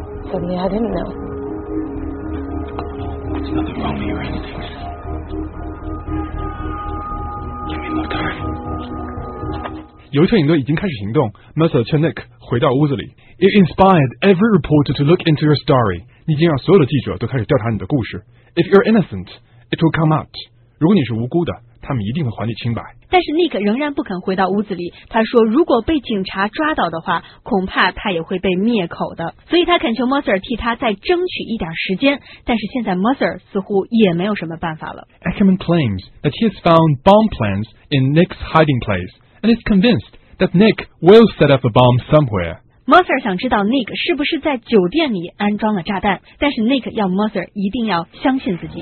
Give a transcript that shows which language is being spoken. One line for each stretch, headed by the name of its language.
English: Suddenly, I didn't know. There's nothing wrong with your instincts. Give me more time.
Chinese: 有一特警队已经开始行动， Mercer 劝 Nick 回到屋子里。
English: It inspired every reporter to look into your story.
Chinese: 你已经让所有的记者都开始调查你的故事。
English: If you're innocent, it will come out.
Chinese: 如果你是无辜的，他们一定会还你清白。但是 Nick 仍然不肯回到屋子里，他说如果被警察抓到的话，恐怕他也会被灭口的，所以他恳求 Mercer 替他再争取一点时间。但是现在 Mercer 似乎也没有什么办法了。
English: Ackerman claims that he has found bomb plans in Nick's hiding place and is convinced that Nick will set up a bomb somewhere.
Chinese: Mercer 想知道 Nick 是不是在酒店里安装了炸弹，但是 Nick 要 Mercer 一定要相信自己。